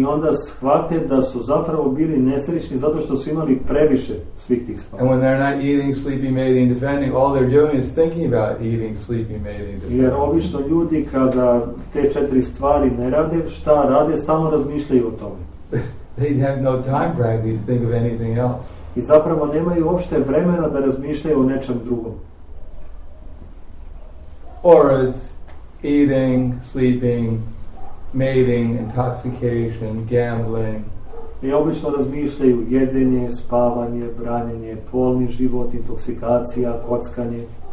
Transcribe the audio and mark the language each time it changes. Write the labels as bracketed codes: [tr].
[sr] I onda shvate da su zapravo bili nesrećni zato što su imali previše svih tih spavanja. [en] And when they're not eating, sleeping, mating, defending, all they're doing is thinking about eating, sleeping, mating, defending. [sr] Jer obično ljudi kada te četiri stvari ne rade, šta rade, samo razmišljaju o tome. [en] They have no time practically to think of anything else. [sr] I zapravo nemaju uopšte vremena da razmišljaju o nečem drugom. [en] Or is eating, sleeping, mating, intoxication, gambling. [sr] I obično razmišljaju jedenje, spavanje, branjenje, polni život, intoksikacija, kockanje.